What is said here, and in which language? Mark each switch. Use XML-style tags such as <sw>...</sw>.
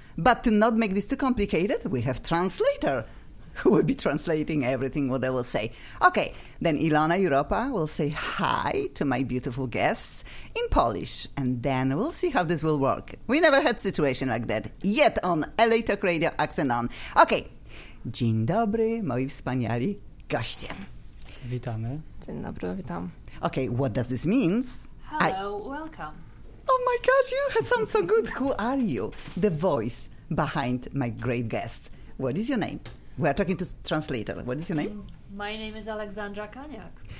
<en>But to not make this too complicated, we have translator who will be translating everything what they will say. Okay, then Ilona Europa will say hi to my beautiful guests in Polish, and then we'll see how this will work. We never had a situation like that yet on LA Talk Radio Accent On.</en> <pl>Okay, dzień dobry, moi wspaniali goście. Witamy. Dzień dobry, witam.</pl> <en>Okay, what does this mean? Hello, welcome. Oh my gosh, you sound so good. Who are you? The voice behind my great guests. What is your name? We are talking to translator. What is your name? My name is Aleksandra Kaniak.</en>